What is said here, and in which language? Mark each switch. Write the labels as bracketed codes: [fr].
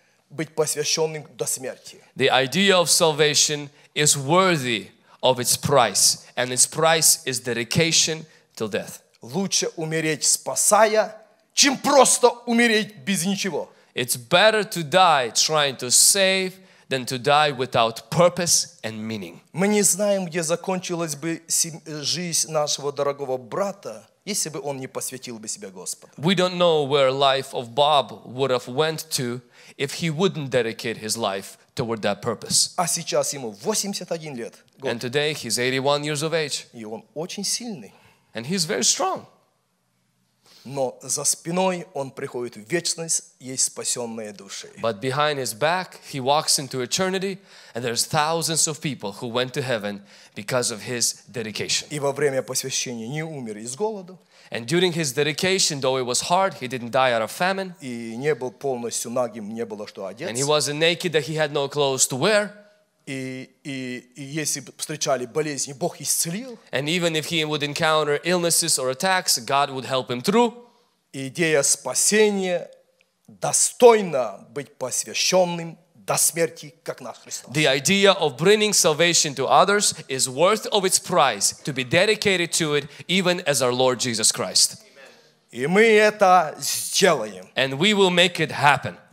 [ru] Быть посвященным до смерти. [en] The idea of salvation is worthy of its price, and its price is dedication till death. [ru] Лучше умереть спасая, чем просто умереть без ничего. [en] It's better to die trying to save than to die without purpose and meaning. [ru] Мы не знаем, где закончилась бы жизнь нашего дорогого брата, если бы он не посвятил бы себя Господу. [en] We don't know where life of Bob would have went to if he wouldn't dedicate his life toward that purpose. [ru] А сейчас ему 81 лет. [en] And today he's 81 years of age. [ru] И он очень сильный. [en] And he's very strong. [ru] Но за спиной он приходит в вечность, есть спасенные души. [en] But behind his back he walks into eternity and there's thousands of people who went to heaven because of his dedication. [ru] И во время посвящения не умер из голода. [en] And during his dedication, though it was hard, he didn't die out of famine. [ru] И не был полностью нагим, не было что одеться. [en] And he wasn't naked, that he had no clothes to wear. [ru] И если бы встречали болезни, Бог исцелил. [en] And even if he would encounter illnesses or attacks, God would help him through. [ru] Идея спасения достойна быть посвященным до смерти, как наш Христос. [en] The idea of bringing salvation to others is worth of its price to be dedicated to it, even as our Lord Jesus Christ. [ru] И мы это сделаем. [en] And we will make it happen.